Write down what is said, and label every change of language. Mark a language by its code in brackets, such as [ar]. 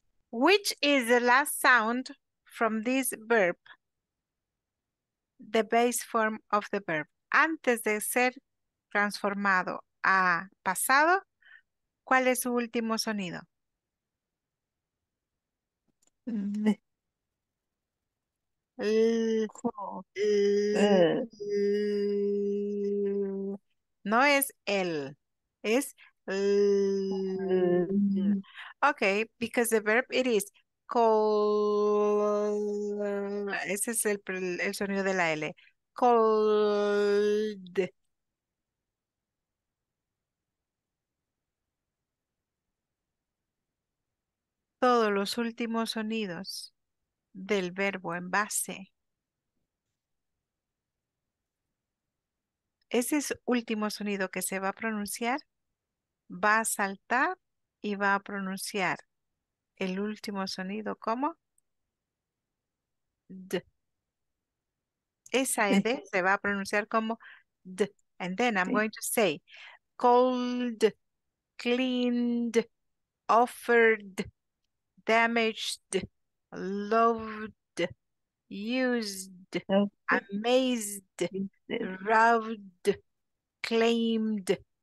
[en] Which is the last sound from this verb, the base form of the verb? [es] Antes de ser transformado a pasado, ¿cuál es su último sonido? No es el, es [en] Okay, because the verb it is cold. [es] Ese es el sonido de la L. Cold. Todos los últimos sonidos del verbo en base. Ese es último sonido que se va a pronunciar, va a saltar y va a pronunciar el último sonido como d. Esa ed se va a pronunciar como d. [en] And then I'm going to say cold, cleaned, offered, damaged, loved, used, amazed, robbed, claimed.